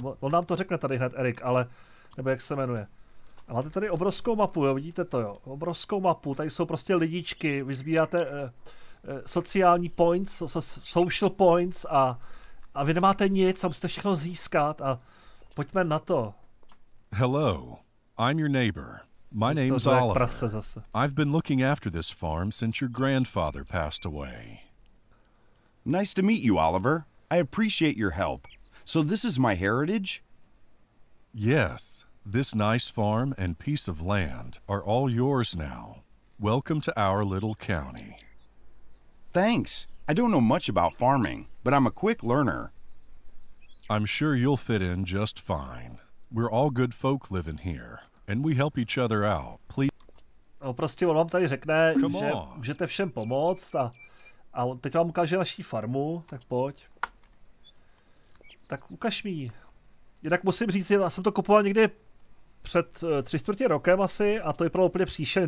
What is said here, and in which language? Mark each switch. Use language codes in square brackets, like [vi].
[cs] On nám to řekne tady hned, Erik, ale, nebo jak se jmenuje. A máte tady obrovskou mapu, jo, vidíte to, jo, obrovskou mapu, tady jsou prostě lidičky, vy sbíráte sociální points, social points a... A vy nemáte nic, a musíte všechno získat a pojďme na to. [en] Hello, I'm your neighbor. My name's Oliver. I've been looking after this farm since your grandfather passed away. Nice to meet you, Oliver. I appreciate your help. So this is my heritage? Yes, this nice farm and piece of land are all yours now. Welcome to our little county. Thanks. I don't know much about farming, but I'm a quick learner. I'm sure you'll fit in just fine. We're all good folk living here, and we help each other out. Please. [cs] No, prostě on vám tady řekne, že můžete všem pomoct a teď vám ukáže naší farmu, tak pojď. Tak ukaž mi. Jinak musím říct, já jsem to kupoval někdy před 3/4 rokem asi a to vypadalo úplně příšerně.